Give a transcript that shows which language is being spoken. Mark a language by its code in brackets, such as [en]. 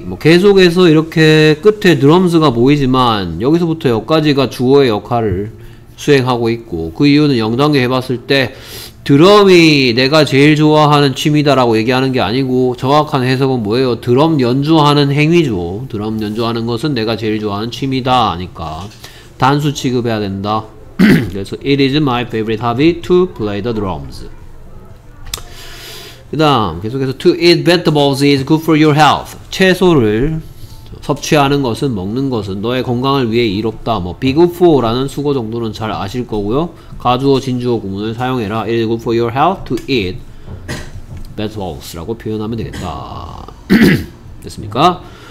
[ko] 뭐 계속해서 이렇게 끝에 드럼스가 보이지만 여기서부터 여기까지가 주어의 역할을 수행하고 있고, 그 이유는 0단계 해봤을 때 드럼이 내가 제일 좋아하는 취미다라고 얘기하는 게 아니고 정확한 해석은 뭐예요? 드럼 연주하는 행위죠. 드럼 연주하는 것은 내가 제일 좋아하는 취미다 하니까 단수 취급해야 된다. 그래서 [en] It is my favorite hobby to play the drums. [ko] 그 다음 계속해서 [en] To eat vegetables is good for your health. [ko] 채소를 섭취하는 것은, 먹는 것은 너의 건강을 위해 이롭다. 뭐 [en] be good for [ko] 라는 수거 정도는 잘 아실 거고요. 가주어, 진주어 구문을 사용해라. [en] It is good for your health to eat vegetables [ko] 라고 표현하면 되겠다. 됐습니까?